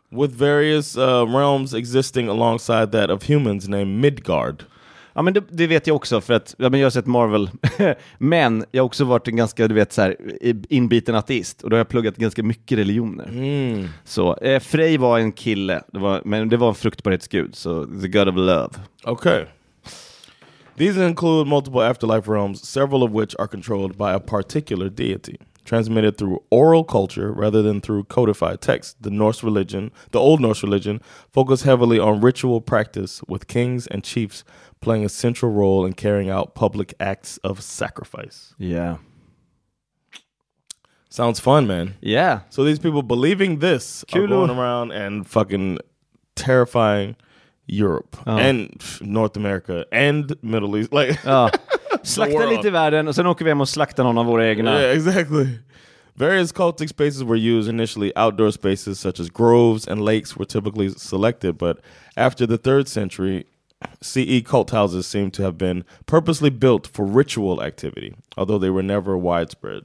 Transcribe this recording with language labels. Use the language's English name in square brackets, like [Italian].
[English] With various realms existing alongside that of humans named Midgard. [Swedish] Ja, men det vet jag också, för att ja, men jag har sett Marvel. Men jag har också varit en ganska, du vet, så här, inbiten ateist. Och då har jag pluggat ganska mycket religioner. Mm. Så Frey var en kille, men det var en fruktbarhetsgud. [English] Så the god of love. Okay. These include multiple afterlife realms, several of which are controlled by a particular deity. Transmitted through oral culture rather than through codified text, the Old Norse religion, focused heavily on ritual practice with kings and chiefs playing a central role in carrying out public acts of sacrifice. Yeah. Sounds fun, man. Yeah. So these people believing this are going around and fucking terrifying Europe and North America and Middle East. Like, [Swedish] slakta lite världen och sen åker vi hem och slaktar någon av våra egna. [English] Yeah, exactly. Various cultic spaces were used initially. Outdoor spaces such as groves and lakes were typically selected, but after the 3rd century, CE cult houses seem to have been purposely built for ritual activity, although they were never widespread.